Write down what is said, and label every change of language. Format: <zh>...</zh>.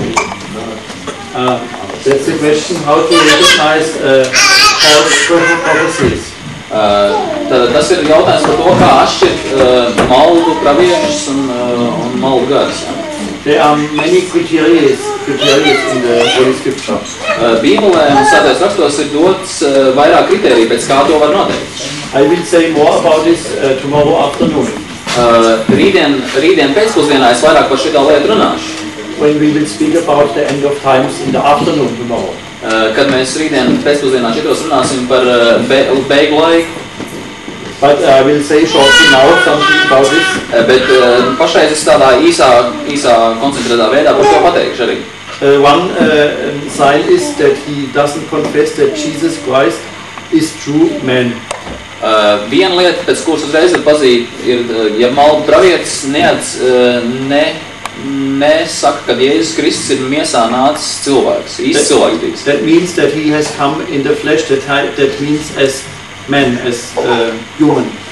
<en>That's the question, how to recognize false prophecies?</en> <lv>Tas ir jautājums par to, kā atšķirt maldu pravieņus un maldu gars.</lv> <en>There are many criterias in the Holy Scripture.</en> <lv>Bībulē un Svētais rakstos ir dots vairāk kritēriju, pēc kā to var noteikt.</lv> <en>I will say more about this tomorrow afternoon.</en> <lv>Rītdien pēcpusdienā es vairāk par šitā lietu runāšu.</lv> <en>When we will speak about the end of times in the afternoon tomorrow.</en> <lv>Kad mēs rītdien pēcpusdienā šitos runāsim par beigu laiku.</lv> <en>But I will say shortly now something about this.</en> <lv>Bet pašreiz es tādā īsā koncentrētā veidā par to pateikšu arī.</lv> <en>One sign is that he doesn't confess that Jesus Christ is true man.</en> <lv>Viena lieta, pēc kuras uzreiz ir pazīt, ir, ja maldu pravietis nesaka, ka Jēzus Kristus ir miesā nācis cilvēks, īsts cilvēks.</lv> <en>That means that he has come in the flesh, that means as man, as human.</en>